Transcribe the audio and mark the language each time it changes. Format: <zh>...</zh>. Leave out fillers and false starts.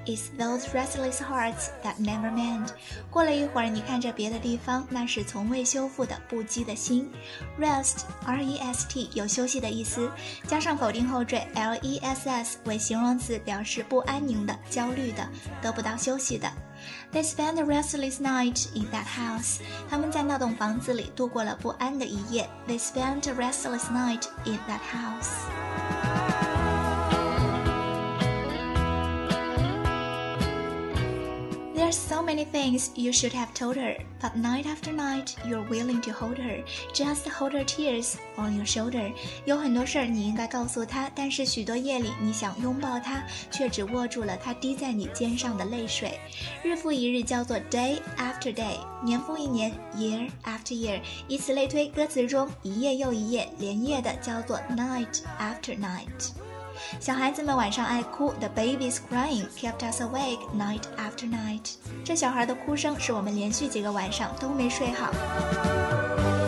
<en>It's those restless hearts that never mend.</en> <zh>过了一会儿，你看着别的地方，那是从未修复的不羁的心。 Rest, R-E-S-T, 有休息的意思，加上否定后缀 L-E-S-S 为形容词，表示不安宁的、焦虑的、得不到休息的。</zh> <en>They spent a restless night in that house.</en> <zh>他们在那栋房子里度过了不安的一夜。 They spent a restless night in that house.</zh> <en>There's so many things you should have told her, but night after night, you're willing to hold her. Just hold her tears on your shoulder.</en> <zh>有很多事儿你应该告诉她，但是许多夜里你想拥抱她，却只握住了她滴在你肩上的泪水。日复一日叫做</zh> <en>day after day,</en> <zh>年复一年</zh> <en>year after year.</en> <zh>以此类推，歌词中一夜又一夜连夜的叫做</zh> <en>night after night.</en> <zh>小孩子们晚上爱哭，</zh> <en>The baby's crying kept us awake night after night.</en> <zh>这小孩的哭声是我们连续几个晚上都没睡好。</zh>